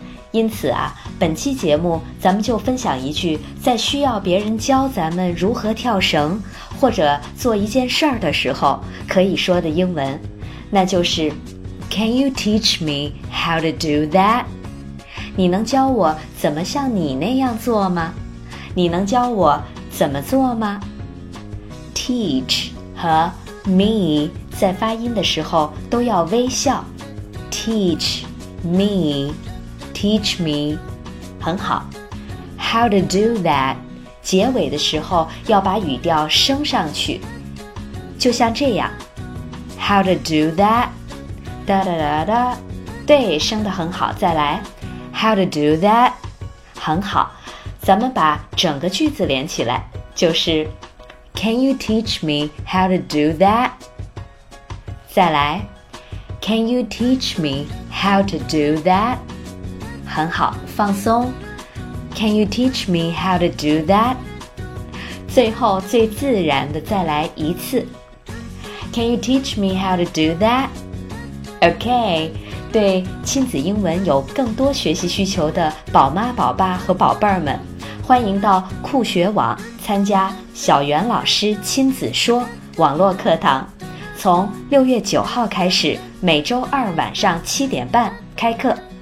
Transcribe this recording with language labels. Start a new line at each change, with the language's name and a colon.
Chinese: 因此啊，本期节目咱们就分享一句在需要别人教咱们如何跳绳或者做一件事儿的时候可以说的英文，那就是
English: Can you teach me how to do that?
Chinese: 你能教我怎么像你那样做吗？你能教我怎么做吗？ Teach 和 me 在发音的时候都要微笑。
English: Teach meTeach me,
Chinese: 很好。
English: How to do that,
Chinese: 结尾的时候要把语调升上去。就像这样。
English: How to do that, 哒哒哒哒。
Chinese: 对，升得很好，再来。
English: How to do that,
Chinese: 很好。 咱们把整个句子连起来，就是
English: Can you teach me how to do that?
Chinese: 再来。
English: Can you teach me how to do that?
Chinese: 很好，放松。
English: Can you teach me how to do that?
Chinese: 最后最自然的再来一次。
English: Can you teach me how to do that?
Chinese: OK, 对亲子英文有更多学习需求的宝妈、宝爸和宝贝儿们，欢迎到酷学网参加小袁老师亲子说网络课堂。从6月9号开始，每周二晚上7:30开课。